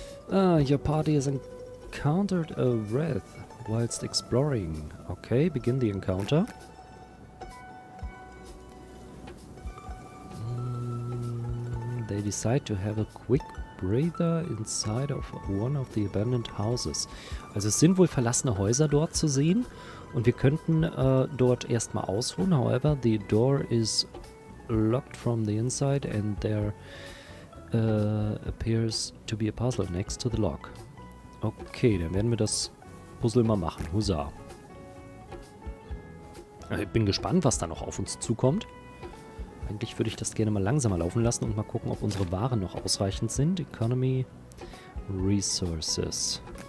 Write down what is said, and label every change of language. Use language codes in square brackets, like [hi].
[en] Your party has encountered a wraith whilst exploring. Okay, begin the encounter. They decide to have a quick breather inside of one of the abandoned houses. [de] Also es sind wohl verlassene Häuser dort zu sehen und wir könnten dort erstmal ausruhen. [en] However, the door is locked from the inside and there appears to be a puzzle next to the lock. [de] Okay, dann werden wir das Puzzle mal machen. Husa. Ich bin gespannt, was da noch auf uns zukommt. Eigentlich würde ich das gerne mal langsamer laufen lassen und mal gucken, ob unsere Waren noch ausreichend sind. [en] Economy Resources.